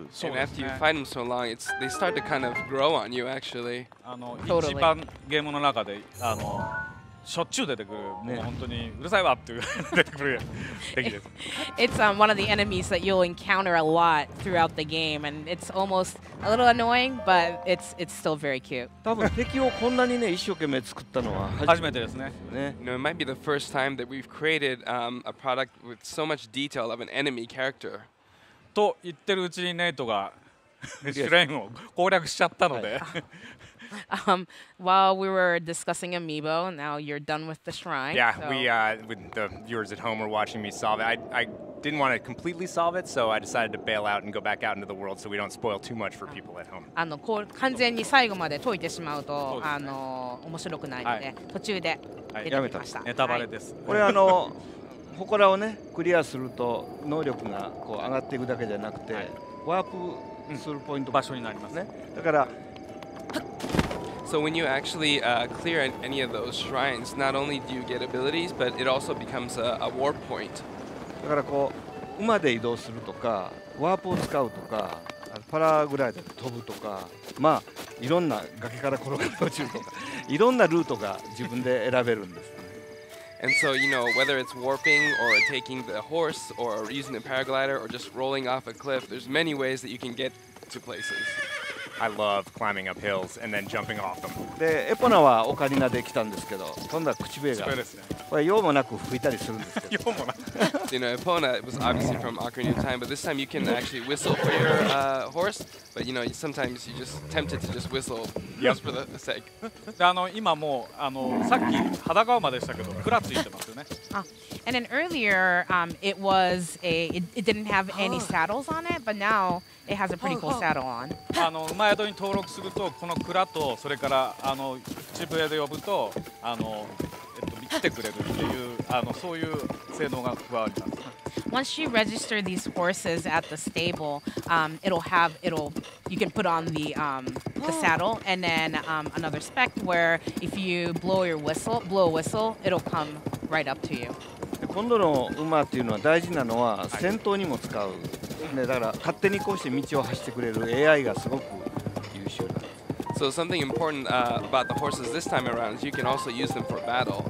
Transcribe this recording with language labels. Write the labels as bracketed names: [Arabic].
[English] And after you fight them so long, they start to kind of grow on you, actually. [Japanese] あの、一番ゲームの中で、あの、しょっちゅう出てくる、もう本当にうるさいわっていう出てくる敵です。 [English] It's one of the enemies that you'll encounter a lot throughout the game, and it's almost a little annoying, but it's still very cute. [Japanese] 多分敵をこんなにね一生懸命作ったのは初めてですね。ね。 [English] No, it might be the first time that we've created a product with so much detail of an enemy character. [Japanese] と言ってるうちにネイトがシュレインを攻略しちゃったので。 [English] While we were discussing Amiibo, now you're done with the shrine. Yeah, so. With the viewers at home were watching me solve it. I didn't want to completely solve it, so I decided to bail out and go back out into the world so we don't spoil too much for people at home. [Japanese] あの、こう、完全に最後まで解いてしまうと、あの、面白くないので、途中で出てきました。ネタバレです。これあの、祠をね、クリアすると能力がこう上がっていくだけじゃなくて、ワープするポイント場所になりますね。だから、 [English] So when you actually clear any of those shrines, not only do you get abilities, but it also becomes a warp point. [Japanese] だからこう馬で移動するとか、ワープを使うとか、パラグライダーで飛ぶとか、まあいろんな崖から転がり落ちるとか、いろんなルートが自分で選べるんです。 [English] And so, you know, whether it's warping or taking the horse or using the paraglider or just rolling off a cliff, there's many ways that you can get to places. I love climbing up hills and then jumping off them. [Japanese] で、エポナはオカリナで来たんですけど、今度は口笛が。そうですね。これ用もなく吹いたりするんですけど。用もなく。 [English] You know, Epona was obviously from Ocarina of Time, but this time you can actually whistle for your horse. But you know, sometimes you're just tempted to just whistle just for the sake. [Japanese] で、あの、今もう、あの、さっき裸馬でしたけど、クラついてますよね。 [English] And then earlier, it was a, it didn't have any saddles on it, but now it has a pretty cool saddle on. [Japanese] あの、馬宿に登録すると、このクラと、それから、あの、口笛で呼ぶと、あの、来てくれるっていう、あの、そういう性能が加わります。 [English] Once you register these horses at the stable, you can put on the saddle, and then another spec where if you blow a whistle, it'll come right up to you. [Japanese] 今度の馬っていうのは大事なのは戦闘にも使う。ね、だから勝手にこうして道を走ってくれる AI がすごく優秀だ。 [English] So something important about the horses this time around is you can also use them for battle.